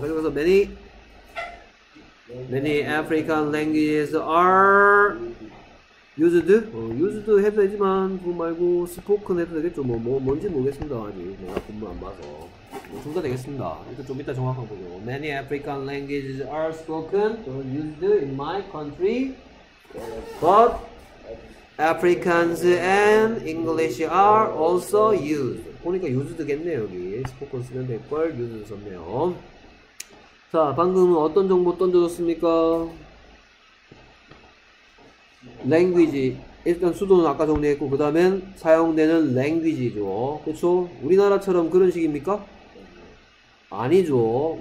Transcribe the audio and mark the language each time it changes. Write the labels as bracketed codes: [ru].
[ko] 그래서 [en] many African languages are used? [ko] used 해도 되지만 그거 말고 spoken 해도 되겠죠. 뭔지 모르겠습니다. 아직 내가 본문 안 봐서. 뭐, 둘다 되겠습니다. 이거 좀 이따 정확한 거죠. [en] Many African languages are spoken or used in my country, but Africans and English are also used. [ko] 보니까 used겠네요, 여기. spoken 쓰면 될걸 used 썼네요. 자, 방금 어떤 정보 던져줬습니까? Language. 일단 수도는 아까 정리했고, 그 다음엔 사용되는 language죠. 그쵸? 우리나라처럼 그런 식입니까? 아니죠.